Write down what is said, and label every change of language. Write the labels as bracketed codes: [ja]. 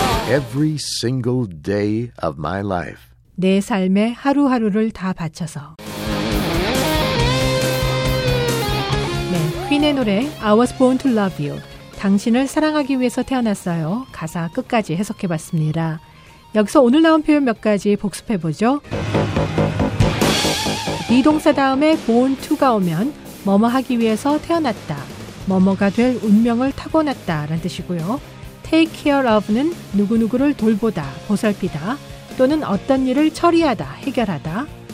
[en] Every single day of my life. [ko] 내 삶의 하루하루를 다 바쳐서. 네, 퀸의 노래 I was born to love you. 당신을 사랑하기 위해서 태어났어요. 가사 끝까지 해석해봤습니다. 여기서 오늘 나온 표현 몇 가지 복습해보죠. 비동사 다음에 born to가 오면 뭐뭐 하기 위해서 태어났다. 뭐뭐가 될 운명을 타고났다 라는 뜻이고요. Take care of는 누구누구를 돌보다, 보살피다, 또는 어떤 일을 처리하다, 해결하다.